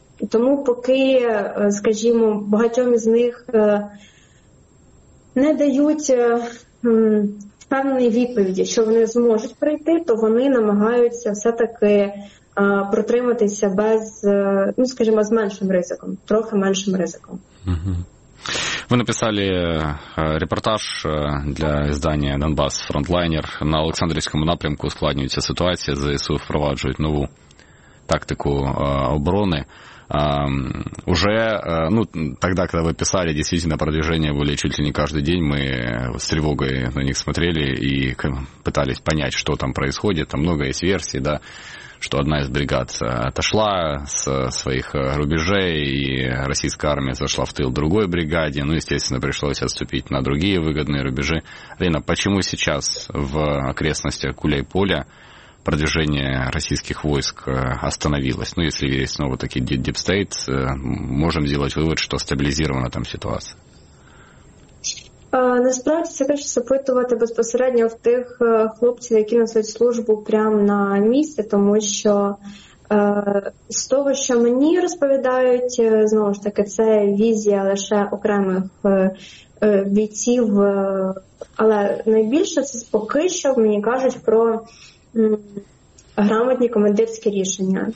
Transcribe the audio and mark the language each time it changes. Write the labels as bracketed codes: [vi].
[uk] Тому поки, скажімо, багатьом із них не дають впевненої відповіді, що вони зможуть прийти, то вони намагаються все-таки протриматися без, ну, скажімо, з меншим ризиком, трохи меншим ризиком. Ви написали репортаж для видання «Донбас Фронтлайнер». На Олександрівському напрямку складнюється ситуація, ЗСУ впроваджують нову тактику оборони. [ru] Уже, ну, тогда, когда вы писали, действительно, продвижение были чуть ли не каждый день, мы с тревогой на них смотрели и пытались понять, что там происходит. Там много есть версий, да, что одна из бригад отошла со своих рубежей, и российская армия зашла в тыл другой бригаде. Ну, естественно, пришлось отступить на другие выгодные рубежи. Лена, почему сейчас в окрестностях Куляйполя продвижение российских войск остановилось? Ну, если есть снова такие deep state, можем сделать вывод, что стабилизирована там ситуация? [uk] Насправді, це краще запитувати безпосередньо в тих хлопців, які несуть службу прямо на місці, тому що з того, що мені розповідають, знову ж таки, це візія лише окремих бійців, але найбільше це поки що мені кажуть про грамотні командирські рішення.